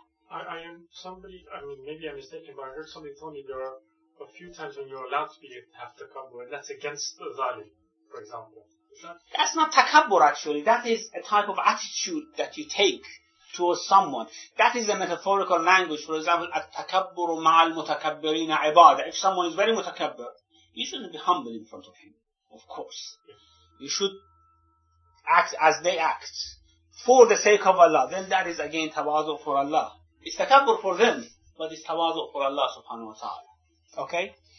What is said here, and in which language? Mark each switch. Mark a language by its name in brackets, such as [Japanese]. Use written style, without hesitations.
[English] I mean, maybe I'm mistaken, but I heard somebody tell me there are a few times when you're allowed to be able to have takabbur, and that's against the zalim, for example. That's not takabbur, actually. That is a type of attitude that you take towards someone. That is a metaphorical language. For example, [Arabic] التَكَبُّرُ مَعَ الْمُتَكَبِّرِينَ عِبَادَ. [English] If someone is very متَكَبِّر, you shouldn't be humble in front of him, of course. Yes. You should act as they act, for the sake of Allah. Then that is again tawadu for Allah. It's takabbur for them, but it's tawadu for Allah subhanahu wa ta'ala. Okay?